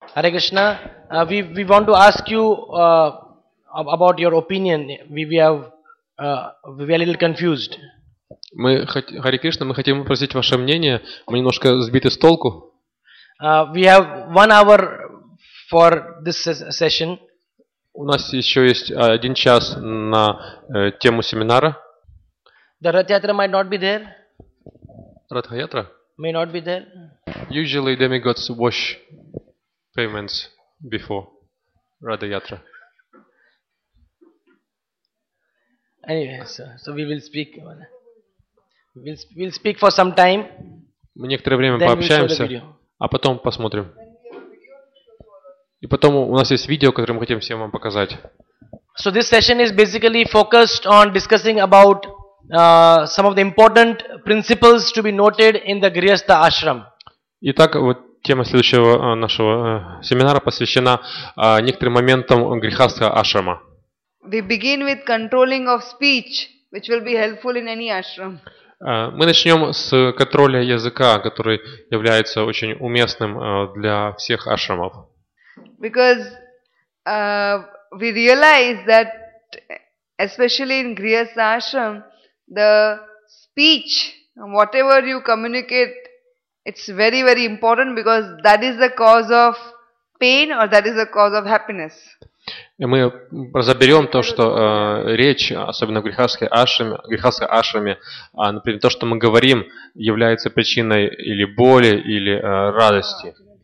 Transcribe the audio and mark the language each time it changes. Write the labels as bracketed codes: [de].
[en] Hare Krishna, we want to ask you about your opinion. We are a little confused. [ru] Hare Krishna, мы хотим спросить ваше мнение. Мы немножко сбиты с толку. [en] We have 1 hour for this session. [ru] У нас еще есть 1 час на тему семинара. [en] The Ratha Yatra might not be there. Ratha Yatra may not be there. Usually demigods wash pavements before Ratha Yatra. Anyway, so we will speak. We'll speak for some time. [ru] Мы некоторое время пообщаемся, а потом посмотрим. И потом у нас есть видео, которое мы хотим всем вам показать. [en] So this session is basically focused on discussing about some of the important principles to be noted in the Grihastha ashram. [ru] Итак, вот тема следующего нашего семинара посвящена некоторым моментам Грихастха ашрама. [en] We begin with controlling of speech, which will be helpful in any ashram. [ru] Мы начнем с контроля языка, который является очень уместным для всех ашрамов. [en] Because we realize that, especially in Grihastha ashram, the speech, whatever you communicate, it's very, very important because that is the cause of pain or that is the cause of happiness. [ru] И мы разберем то, что речь, особенно в грихастха ашраме, например, то, что мы говорим, является причиной или боли, или радости.